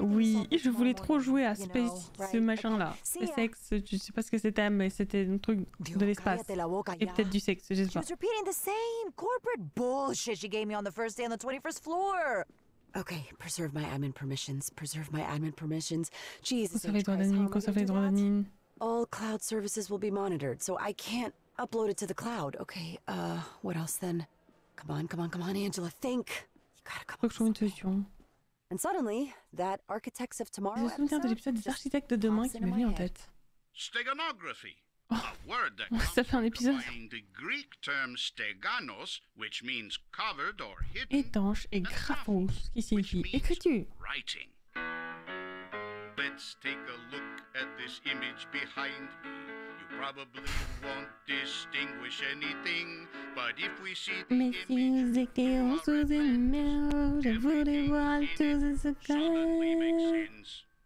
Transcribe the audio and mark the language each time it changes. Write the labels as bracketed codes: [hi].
[fr] Oui, je voulais trop jouer à Space, ce machin-là. Sexe, je sais pas ce que c'était, mais c'était un truc de l'espace. Et peut-être du sexe, je sais pas. [en] She was repeating the same corporate bullshit she gave me on the first day on the 21st floor. Okay, preserve my admin permissions. Preserve my admin permissions. Jesus. [fr] Conserver les droits d'admin. Conserver les droits d'admin. [en] All cloud services will be monitored, so I can't upload it to the cloud. Okay, what else then? Come on, come on, come on, Angela, think. [fr] Je crois que je trouve une solution. Je me souviens de l'épisode des architectes de demain qui m'est venu en tête. [en] Steganography. [fr] Oh. Ça fait un épisode. [en] The Greek term steganos, which means covered or hidden, [fr] étanche et graphos, qui signifie écriture. [en] Let's take a look at this image behind me. Probably won't distinguish anything, but if we see the image in our event, everything in it suddenly makes sense.